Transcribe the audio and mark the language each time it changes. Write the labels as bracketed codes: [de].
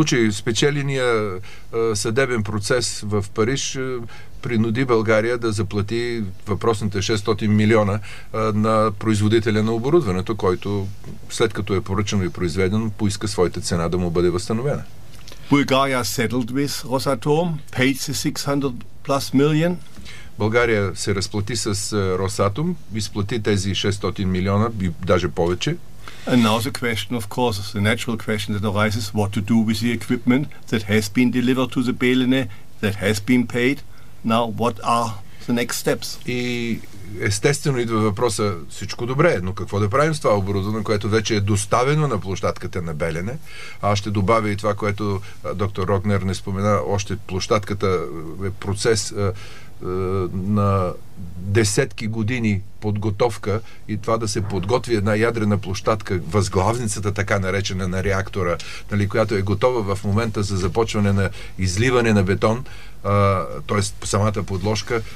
[bg] Спечеления съдебен процес в Париж принуди България да заплати въпросните 600 милиона на производителя на оборудването, който след като е поръчано и произведено, поиска своята цена да му бъде възстановена. [en] Bulgaria settled with Rosatom, paid the 600 plus million. [bg] България се разплати с Росатом, изплати тези 600 милиона и даже повече. [en] And now the question, of course, the natural question that arises, what to do with the equipment that has been delivered to the Belene, that has been paid. Now, what are the next steps? [bg] И естествено идва въпроса, всичко добре, но какво да правим с това оборудване, което вече е доставено на площадката на Белене? А ще добавя и това, което доктор Рогнер не спомена, още площадката е процес на десетки години подготовка и това да се подготви една ядрена площадка, възглавницата така наречена на реактора, нали, която е готова в момента за започване на изливане на бетон, т.е. самата подложка.